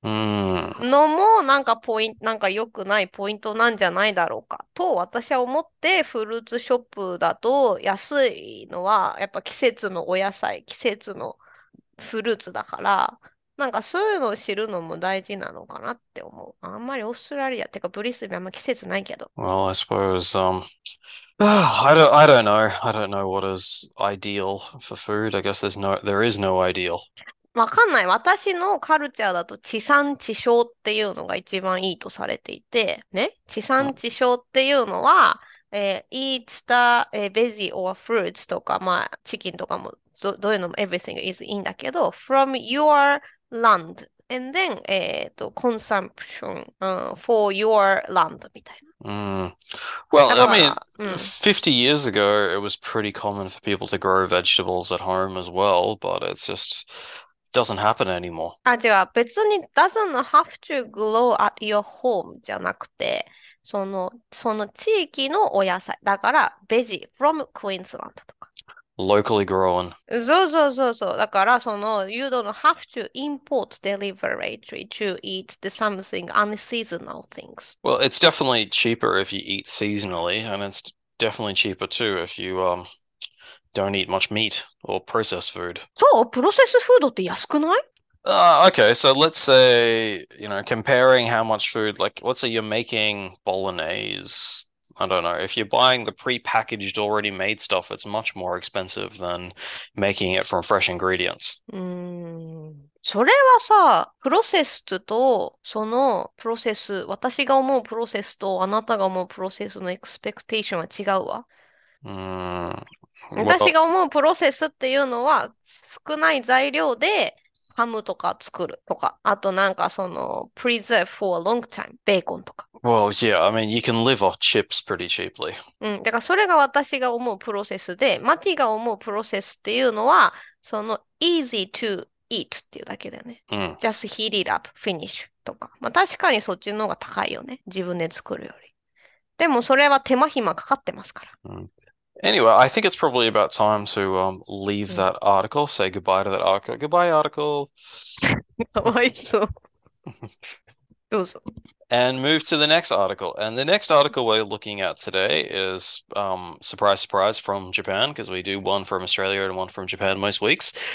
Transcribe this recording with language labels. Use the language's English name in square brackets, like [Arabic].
[Japanese] のも、なんかポイント、なんか良くないポイントなんじゃないだろうか、と私は思って、フルーツショップだと安いのは、やっぱ季節のお野菜、季節のフルーツだから、なんかそういうのを知るのも大事なのかなって思う。あんまりオーストラリア、てかブリスベンあんま季節ないけど。 [English] Well, I suppose I don't know. I don't know what is ideal for food. I guess there is no ideal. [Japanese] わかんない。私のカルチャーだと地産地消っていうのが一番いいとされていて、ね。地産地消っていうのは、 [English] eats the veggie or fruits [Japanese] とか、まあ、チキンとかも、どういうのも、 [English] everything is in [Japanese] だけど、 [English] from your land and then, consumption, for your land [Japanese] みたいな。だ [English] Well, I [Japanese] から、 [English] mean, 50 years ago, it was pretty common for people to grow vegetables at home as well, but it just doesn't happen anymore. [Japanese] あ、違う。別に [English] doesn't have to grow at your home [Japanese] じゃなくて、その地域のお野菜。だから、ベジ、 [English] from Queensland [Japanese] とか。 [English] Locally grown. [Japanese] そう。だから、 [English] you don't have to import delivery to eat the something unseasonal things. Well, it's definitely cheaper if you eat seasonally, and it's definitely cheaper too if you don't eat much meat or processed food. [Japanese] そう、プロセスフードって安くない？ [English] Okay, so let's say, comparing how much food, like let's say you're making bolognese. I don't know. If you're buying the pre-packaged, already made stuff, it's much more expensive than making it from fresh ingredients. [Japanese] それはさ、プロセスと、そのプロセス、私が思うプロセスと、あなたが思うプロセスのエクスペクテーションは違うわ。私が思うプロセスっていうのは、少ない材料でハムとか作るとか、あと [English] preserve for a long time、 [Japanese] ベーコンとか。 [English] Well, yeah, I mean, you can live off chips pretty cheaply. [Japanese] だからそれが私が思うプロセスで、マティが思うプロセスっていうのは、 [English] easy to eat [Japanese] っていうだけだよね。 [English] just heat it up, finish [Japanese] とか。まあ確かにそっちの方が高いよね。自分で作るより。でもそれは手間暇かかってますから。 [English] Anyway, I think it's probably about time to leave that article. Say goodbye to that article. Goodbye, article. [Japanese] かわいそう。どうぞ。 [English] And move to the next article. And the next article we're looking at today is, surprise, surprise, from Japan, because we do one from Australia and one from Japan most weeks.